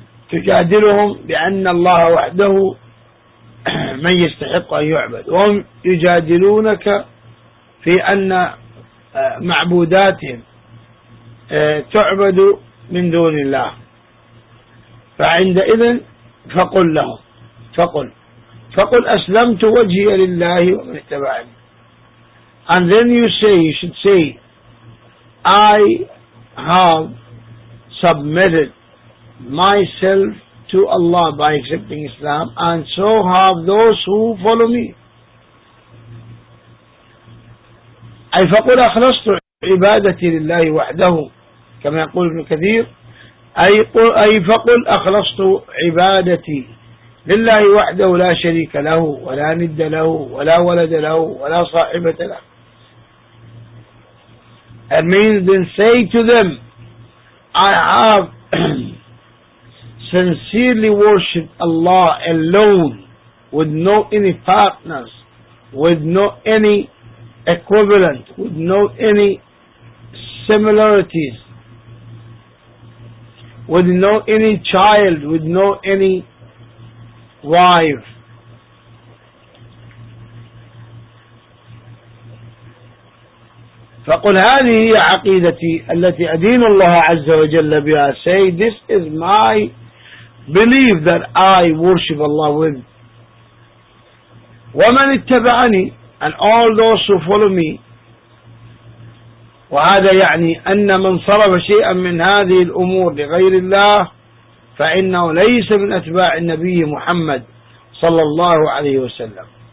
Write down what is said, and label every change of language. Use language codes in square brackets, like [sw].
[ar] تجادلهم بأن الله وحده من يستحق أن يعبد، وهم يجادلونك في أن معبوداتهم تعبد من دون الله. فعندئذ فقل لهم، فقل أسلمت وجهي لله ومن اتبعني. [en] And then you say, you should say, I have submitted myself to Allah by accepting Islam, and so have those who follow me. [ar] أي فقل أخلصت عبادتي لله وحده كما يقول ابن كثير، أي فقل أخلصت عبادتي لله وحده لا شريك له ولا ند له ولا ولد له ولا صاحبة له. [en] It means then say to them, I have sincerely worshipped Allah alone with no any partners, with no any equivalent, with no any similarities, with no any child, with no any wife. [ar] فقل هذه هي عقيدتي التي أدين الله عز وجل بها. [en] Say, this is my belief that I worship Allah with. [ar] ومن اتبعني, [en] and all those who follow me. [ar] وهذا يعني أن من صرف شيئا من هذه الأمور لغير الله فإنه ليس من أتباع النبي محمد صلى الله عليه وسلم.